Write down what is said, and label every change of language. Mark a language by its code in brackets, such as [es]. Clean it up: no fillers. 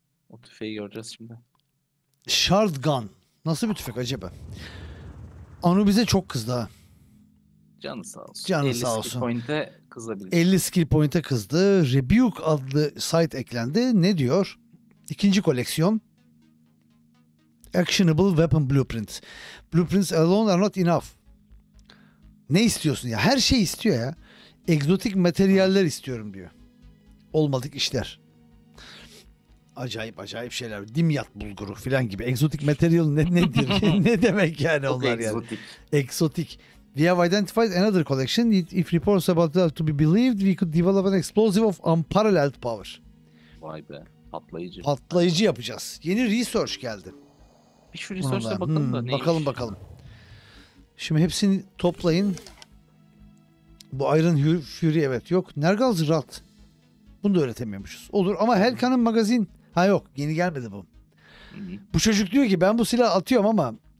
[tr] O tüfeği göreceğiz şimdi. Shard gun. Nasıl bir tüfek acaba? Anu bize çok kızdı ha. Canı sağ olsun. Canı sağ olsun. 50 skill point'e kızabilir. 50 skill point'e kızdı. Rebuke adlı site eklendi. Ne diyor? İkinci koleksiyon. [en] Actionable weapon blueprints. Blueprints alone are not enough. [tr] Ne istiyorsun ya? Her şey istiyor ya. Egzotik materyaller istiyorum diyor. Olmadık işler. Acayip acayip şeyler. Dimyat bulguru falan gibi. Egzotik materyal nedir? Ne demek yani onlar yani? Egzotik. [en] We have identified another collection. If reports about that to be believed, we could develop an explosive of unparalleled power. [tr] Vay be, patlayıcı. Patlayıcı yapacağız. Yeni research geldi. Bir şu research'a bakalım da neymiş? Bakalım bakalım. Şimdi hepsini toplayın. Bu Iron Fury, evet, yok. Nergal's Wrath. Bunu da öğretemiyormuşuz. Olur ama Helkan'ın magazin... Ha yok, yeni gelmedi bu. Bu çocuk diyor ki ben bu silahı atıyorum ama...